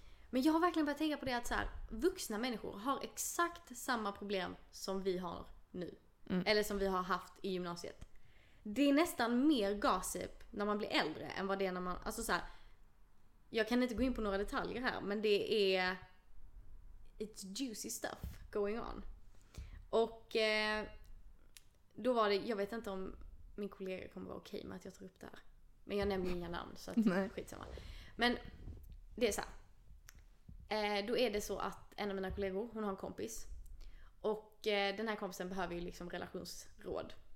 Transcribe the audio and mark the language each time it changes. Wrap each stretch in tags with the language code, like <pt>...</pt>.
<sv>Men jag har verkligen börjat tänka på det att så här, vuxna människor har exakt samma problem som vi har nu. Mm. Eller som vi har haft i gymnasiet. Det är nästan mer gossip när man blir äldre än vad det är när man... Alltså så här, jag kan inte gå in på några detaljer här, men det är...</sv> <en>It's juicy stuff going on.</en> <sv>Och då var det... Jag vet inte om min kollega kommer vara okej med att jag tar upp det här. Men jag nämner inga namn, så att det är skitsamma. Men det är så här. Då är det så att en av mina kollegor, hon har en kompis. Och den här kompisen behöver ju liksom relationsråd.</sv>